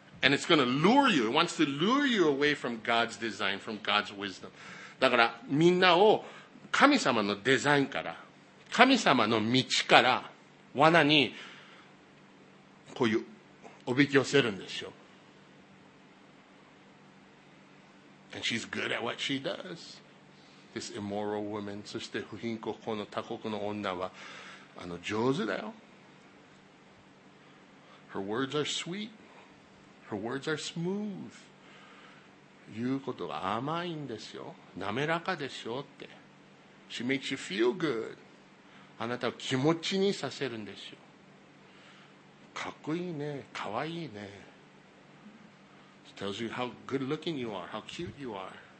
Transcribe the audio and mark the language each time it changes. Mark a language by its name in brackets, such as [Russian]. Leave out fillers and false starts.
[English] And it's going to lure you. It wants to lure you away from God's design, from God's wisdom. [Japanese] だからみんなを神様のデザインから、神様の道から罠にこういうおびき寄せるんですよ。 [English] And she's good at what she does. This immoral woman, [Japanese] そして不貧困この他国の女は上手だよ。 [English] Her words are sweet. Her words are smooth. [Japanese] 言うことが甘いんですよ。滑らかでしょって。 [English] She makes you feel good. [Japanese] あなたを気持ちにさせるんですよ。かっこいいね。かわいいね。 [English] She tells you how good looking you are, how cute you are.